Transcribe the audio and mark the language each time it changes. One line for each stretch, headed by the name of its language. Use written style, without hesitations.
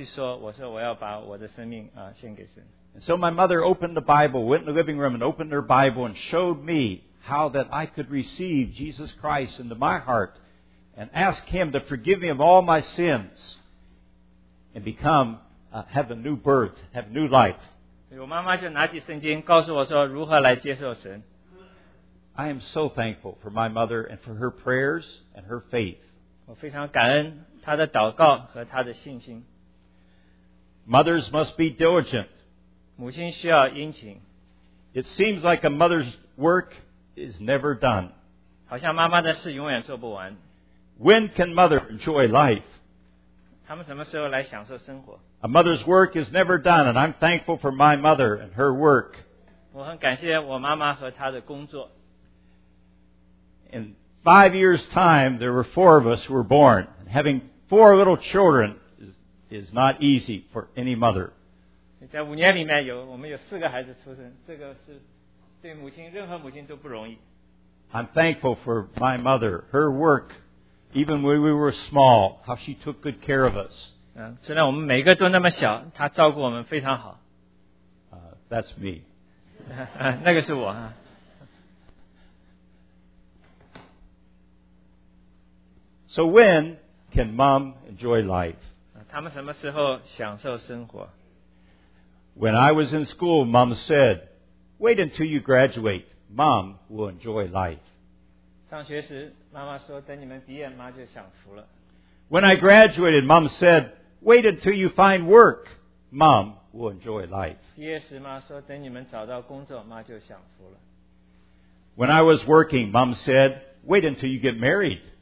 Chinese: 感谢主，那是在我九岁的时候，妈妈在书房里面，借着一个主日学老师，我得救，我要跟妈妈去说，我说我要把我的生命献给神。
English: So my mother opened the Bible, went in the living room and opened her Bible and showed me how that I could receive Jesus Christ into my heart and ask Him to forgive me of all my sins and become, have a new birth, have new life.
Chinese: 我妈妈就拿起圣经告诉我说如何来接受神。
English: I am so thankful for my mother and for her prayers and her faith.
Chinese: 我非常感恩她的祷告和她的信心。
English: Mothers must be diligent.
Chinese: 母亲需要殷勤。
English: It seems like a mother's work is never done.
Chinese: 好像妈妈的事永远做不完。
English: When can mother enjoy life?
Chinese: 她们什么时候来享受生活?
English: A mother's work is never done, and I'm thankful for my mother and her work.
Chinese: 我很感谢我妈妈和她的工作。
English: In 5 years' time, there were four of us who were born. Having four little children is not easy for any mother.
Chinese: 在五年里面有我们有四个孩子出生，这个是对母亲任何母亲都不容易。
English: I'm thankful for my mother, her work, even when we were small, how she took good care of us.
Chinese: 虽然我们每个都那么小，她照顾我们非常好。
English: That's me.
Chinese: 那个是我。
English: So when can mom enjoy life?
Chinese: 他们什么时候享受生活?
English: When I was in school, mom said, wait until you graduate. Mom will enjoy life.
Chinese: 上学时,妈妈说,等你们毕业,妈就享福了。
English: When I graduated, mom said, wait until you find work. Mom will enjoy life.
Chinese: 毕业时,妈说,等你们找到工作,妈就享福了。
English: When I was working, mom said, wait until you get married.